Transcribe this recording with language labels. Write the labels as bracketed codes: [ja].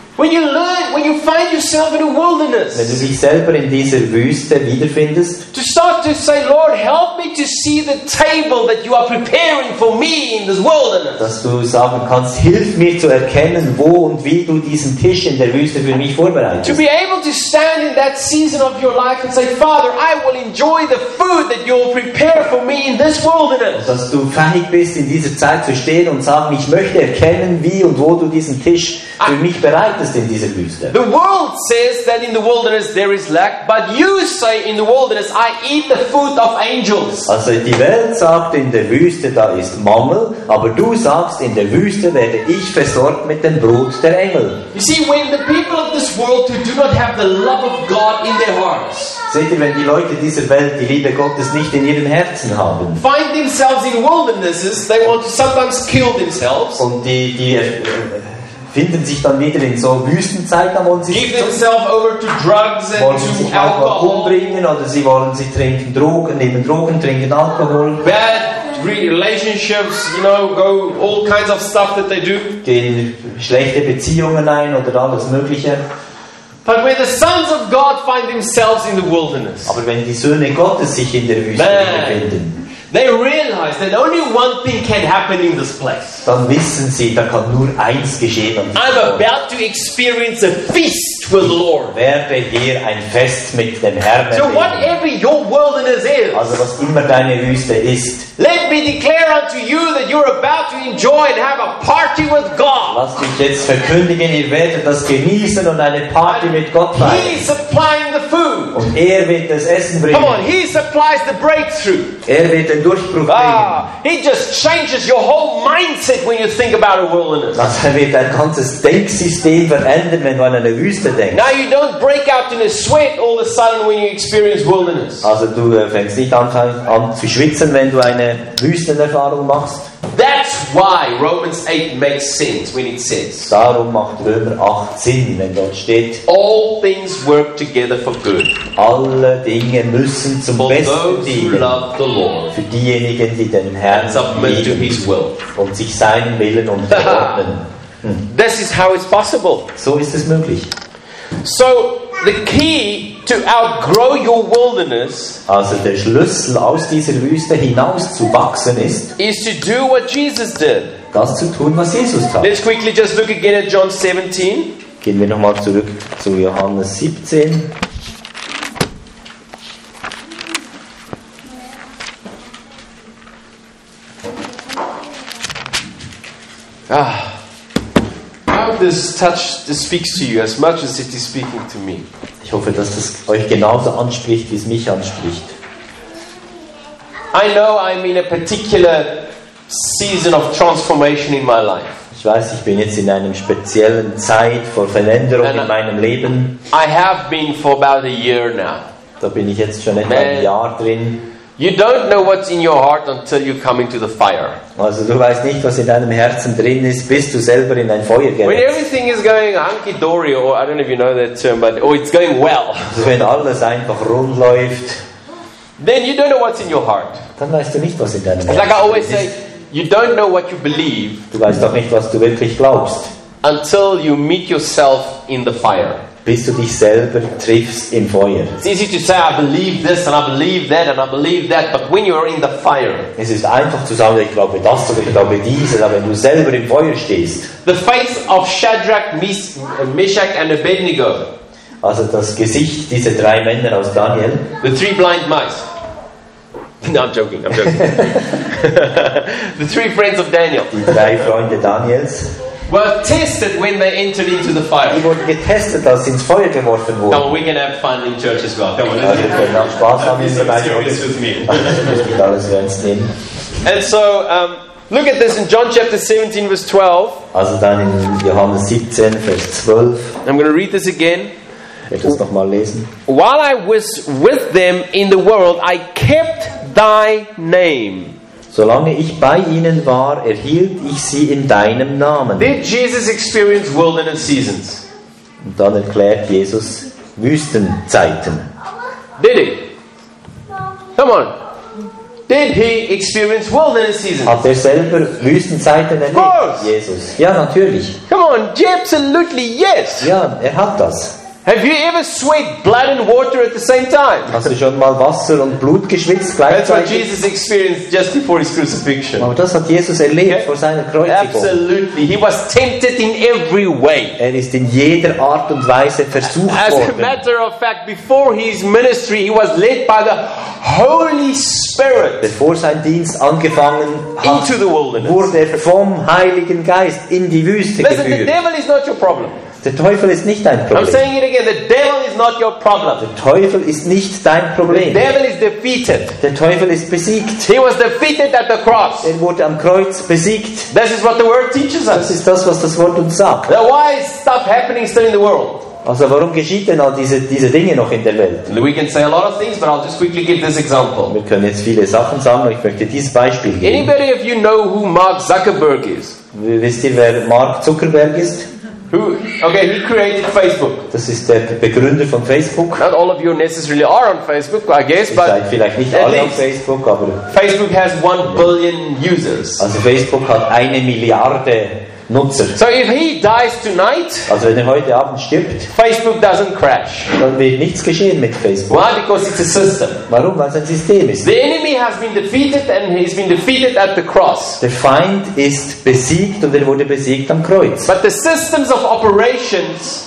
[en] When you learn, when you find yourself in a wilderness, [de] wenn du dich selber in dieser Wüste wiederfindest, [en] to start to say, Lord, help me to see the table that you are preparing for me in this wilderness. [de] Dass du sagen kannst, hilf mir zu erkennen, wo und wie du diesen Tisch in der Wüste für mich vorbereitest. [en] To be able to stand in that season of your life and say, Father, I will enjoy the food that you will prepare for me in this wilderness. [de] Dass du fähig bist, in dieser Zeit zu stehen und sagen, ich möchte erkennen, wie und wo du diesen Tisch für mich bereitest. In dieser Wüste. [en] The world says that in the wilderness there is lack, but you say in the wilderness I eat the food of angels. [de] Also die Welt sagt in der Wüste da ist Mangel, aber du sagst in der Wüste werde ich versorgt mit dem Brot der Engel. [en] You see, when the people of this world who do not have the love of God in their hearts. [de] Seht ihr, wenn die Leute dieser Welt die Liebe Gottes nicht in ihren Herzen haben. [en] Find themselves in wildernesses, they want to sometimes kill themselves. [de] Und die finden sich dann wieder in so Wüstenzeiten, wo sie [en] give themselves over to drugs and [de] wollen sich einfach umbringen oder sie wollen sie trinken Drogen, nehmen Drogen, trinken Alkohol. [en] Bad relationships, you know, go all kinds of stuff that they do. [de] Gehen schlechte Beziehungen ein oder alles Mögliche. [en] But when the sons of God find themselves in the wilderness. [de] Aber wenn die Söhne Gottes sich in der Wüste befinden. [en] They realize that only one thing can happen in this place. [de] Dann wissen sie, da kann nur eins geschehen. [en] I'm about to experience a feast with the Lord. [de] Ich werde hier ein Fest mit dem Herrn erleben. [en] So whatever your wilderness is. [de] Also was immer deine Wüste ist. [en] Let me declare unto you that you're about to enjoy and have a party with God. [de] Lass mich jetzt verkündigen, ihr werdet das genießen und eine Party mit Gott feiern. [en] He is supplying the food. [de] Und er wird das Essen bringen. [en] Come on, he supplies the breakthrough. [de] Er wird den Durchbruch bringen. [en] It just changes your whole mindset when you think about a wilderness. [de] Das wird dein ganzes Denksystem verändern, wenn du an eine Wüste denkst. [en] Now you don't break out in a sweat all of a sudden when you experience wilderness. [de] Also du fängst nicht an zu schwitzen, wenn du eine Wüstenerfahrung machst. [en] That's why Romans 8 makes sense when it says. [de] Darum macht Römer 8 Sinn, wenn dort steht. [en] All things work together for good. [de] Alle Dinge müssen zum [en] for [de] Besten dienen. [en] Those who love the Lord. [de] Für diejenigen, die den Herrn lieben. [en] To his will. [de] Und sich seinen Willen unterordnen. [en] This is how it's possible. [de] So ist es möglich. [en] So the key to outgrow your wilderness. [de] Also der Schlüssel aus dieser Wüste hinaus zu wachsen ist. [en] Is to do what Jesus did. [de] Das zu tun, was Jesus tat. [en] Let's quickly just look again at John 17. [de] Gehen wir nochmal zurück zu Johannes 17. Ah. [en] This touch this speaks to you as much as it is speaking to me. [de] Ich hoffe, dass das euch genauso anspricht, wie es mich anspricht. [en] I know I'm in a particular season of transformation in my life. [de] Ich weiß, ich bin jetzt in einem speziellen Zeit von Veränderung in meinem Leben. [en] I have been for about a year now. [de] Da bin ich jetzt schon etwa ein Jahr drin. [en] You don't know what's in your heart until you come into the fire. [de] Also du weißt nicht, was in deinem Herzen drin ist, bis du selber in ein Feuer gerätst. [en] When everything is going hunky dory, or I don't know if you know that term, but oh, it's going well. [de] Also wenn alles einfach rund läuft, [en] then you don't know what's in your heart. [de] Dann weißt du nicht, was in deinem Herzen ist. [en] Like I always say, you don't know what you believe. [de] Du weißt doch nicht, was du wirklich glaubst. [en] Until you meet yourself in the fire. [de] Bis du dich selber triffst im Feuer. [en] It's easy to say, I believe this and I believe that and I believe that, but when you are in the fire. [de] Es ist einfach zu sagen, ich glaube das oder ich glaube dieses, aber wenn du selber im Feuer stehst. [en] The face of Shadrach, Meshach and Abednego. [de] Also das Gesicht dieser drei Männer aus Daniel. [en] The three blind mice. No, I'm joking. The three friends of Daniel. [de] Die drei Freunde Daniels. [en] Were tested when they entered into the fire. [de] Die wurden getestet, als sie ins Feuer geworfen wurden. [en] Come on, we can have fun in church as well. Come on, let's get it. [de] Also, Spaß haben wir bei uns. Das alles ernst nehmen. [en] And so, look at this in John chapter 17, verse 12. [de] Also dann in Johannes 17, Vers 12. [en] I'm going to read this again. [de] Ich werde es nochmal lesen. [en] While I was with them in the world, I kept thy name. [de] Solange ich bei ihnen war, erhielt ich sie in deinem Namen. [en] Did Jesus experience wilderness seasons? [de] Und dann erklärt Jesus Wüstenzeiten. [en] Did he? Come on. Did he experience wilderness seasons? [de] Hat er selber Wüstenzeiten erlebt? [en] Of course. [de] Jesus. Ja, natürlich. [en] Come on, absolutely yes. [de] Ja, er hat das. [en] Have you ever sweat blood and water at the same time? [de] Hast du schon mal Wasser und Blut geschwitzt gleichzeitig? [en] That's what Jesus experienced just before his crucifixion. [de] Aber das hat Jesus erlebt, okay, vor seiner Kreuzigung. [en] Absolutely. He was tempted in every way. [de] Er ist in jeder Art und Weise versucht [en] As [de] worden. [en] As a matter of fact, before his ministry, he was led by the Holy Spirit. [de] Bevor sein Dienst angefangen hat, [en] into the wilderness. [de] Wurde er vom Heiligen Geist in die Wüste [en] Listen, [de] geführt. [en] The devil is not your problem. [de] Der Teufel ist nicht dein Problem. [en] I'm saying it again. The devil is not your problem. [de] Der Teufel ist nicht dein Problem. [en] The devil is defeated. [de] Der Teufel ist besiegt. [en] He was defeated at the cross. [de] Er wurde am Kreuz besiegt. [en] This is what the word teaches us. [de] Das ist das, was das Wort uns sagt. [en] Now why is stuff happening still in the world? [de] Also warum geschieht denn all diese Dinge noch in der Welt? [en] We can say a lot of things, but I'll just quickly give this example. [de] Wir können jetzt viele Sachen sagen, aber ich möchte dieses Beispiel geben. [en] Anybody of you know who Mark Zuckerberg is? [de] Wisst ihr, wer Mark Zuckerberg ist? [en] Okay, he created Facebook. [de] Das ist der Begründer von Facebook. [en] Not all of you necessarily are on Facebook, I guess, but [de] vielleicht nicht alle auf Facebook, aber [en] Facebook has 1 billion users. [de] Also Facebook hat 1 Milliarde Nutzer. [en] So if he dies tonight, [de] also wenn er heute Abend stirbt, [en] Facebook doesn't crash. [de] Dann wird nichts geschehen mit Facebook. [en] Why? Because it's a system. [de] Warum? Weil es ein System ist. [en] The enemy has been defeated and he's been defeated at the cross. [de] Der Feind ist besiegt und er wurde besiegt am Kreuz. [en] But the systems of operations,